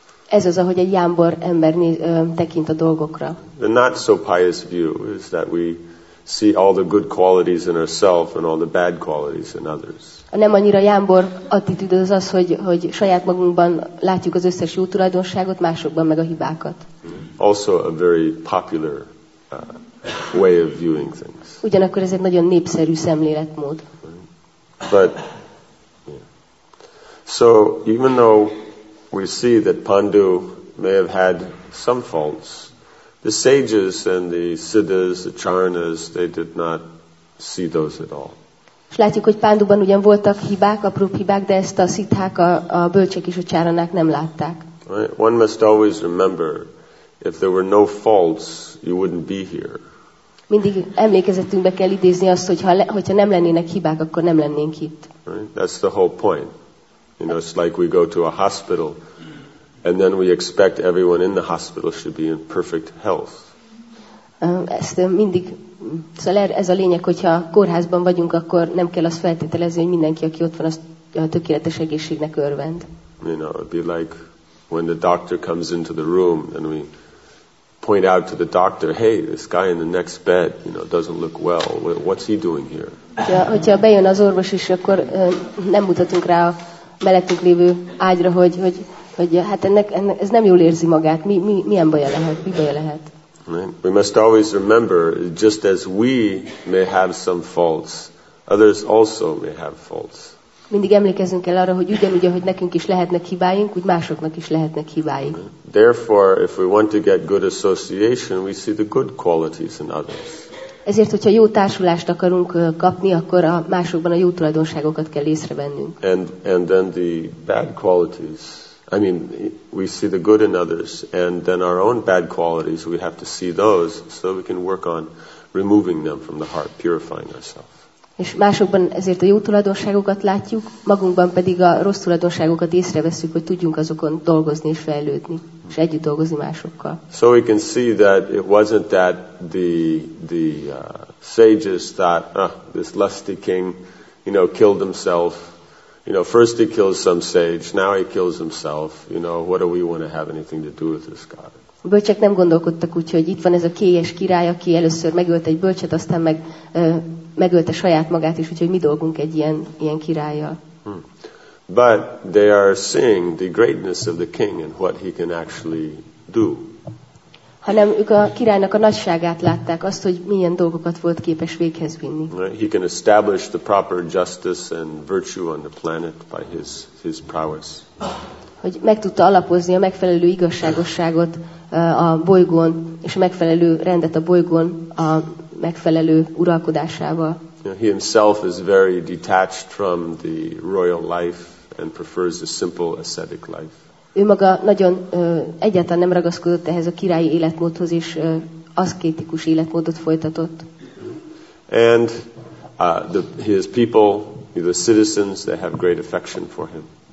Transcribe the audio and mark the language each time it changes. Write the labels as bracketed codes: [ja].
[hu] Ez az, ahogy egy jámbor ember tekint a dolgokra. [en] The not so pious view is that we see all the good qualities in ourselves and all the bad qualities in others. [hu] A nem annyira jámbor attitűd az az, hogy saját magunkban látjuk az összes jó tulajdonságot, másokban meg a hibákat. [en] Also a very popular way of viewing things. [hu] Ugyanakkor ez egy nagyon népszerű szemléletmód. [en] But so even though we see that Pandu may have had some faults, the sages and the siddhas, the charanas, they did not see those at all. [hu] látjuk, hogy Pánduban ugyan voltak hibák, apró hibák, de ezt a szithák, a bölcsek és a csáranák nem látták. [en] Right. One must always remember, if there were no faults, you wouldn't be here. [hu] Mindig emlékezetünkbe kell idézni azt, hogy hogyha nem lennének hibák, akkor nem lennénk itt. [en] Right. That's the whole point. You know, it's like we go to a hospital, and then we expect everyone in the hospital should be in perfect health. [hu] Ezt mindig, szóval ez a lényeg, hogyha kórházban vagyunk, akkor nem kell azt feltételezni, hogy mindenki, aki ott van, az tökéletes egészségnek örvend. [en] You know, it'd be like when the doctor comes into the room, and we point out to the doctor, hey, this guy in the next bed, you know, doesn't look well. What's he doing here? [hu] Hogyha bejön az orvos is, akkor nem mutatunk rá a mellettünk lévő ágyra, hogy hát ennek ez nem jól érzi magát. Milyen baja lehet? Mi baja lehet? [en] Right. We must always remember, just as we may have some faults, others also may have faults. [hu] Mindig emlékezzünk el arra, hogy ugyanúgy, ahogy nekünk is lehetnek hibáink, úgy másoknak is lehetnek hibáik. [en] Right. Therefore, if we want to get good association, we see the good qualities in others. [hu] Ezért, hogyha jó társulást akarunk kapni, akkor a másokban a jó tulajdonságokat kell észrevennünk. [en] And then the bad qualities. I mean, we see the good in others, and then our own bad qualities, we have to see those so we can work on removing them from the heart, purifying ourselves. [hu] És másokban ezért a jó tulajdonságokat látjuk, magunkban pedig a rossz tulajdonságokat észreveszünk, hogy tudjunk azokon dolgozni és fejlődni, és együtt dolgozni másokkal. [en] So we can see that it wasn't that the sages thought, this lusty king, you know, killed himself. You know, first he kills some sage, now he kills himself. You know, what do we want to have anything to do with this guy? [hu] Bölcsek nem gondolkodtak úgy, hogy itt van ez a kéjes király, aki először megölt egy bölcset, aztán meg megölte saját magát is, úgyhogy mi dolgunk egy ilyen királlyal. [en] But they are seeing the greatness of the king and what he can actually do. [hu] Hanem ők a királynak a nagyságát látták, azt, hogy milyen dolgokat volt képes véghez vinni. [en] He can establish the proper justice and virtue on the planet by his prowess. [hu] Hogy meg tudta alapozni a megfelelő igazságosságot a bolygón, és a megfelelő rendet a bolygón a megfelelő uralkodásával. [en] He himself is very detached from the royal life and prefers a simple ascetic life. [hu] Ő maga nagyon egyáltalán nem ragaszkodott ehhez a királyi életmódhoz, és aszkétikus életmódot folytatott. [en] And his people, the citizens, they have great affection for him.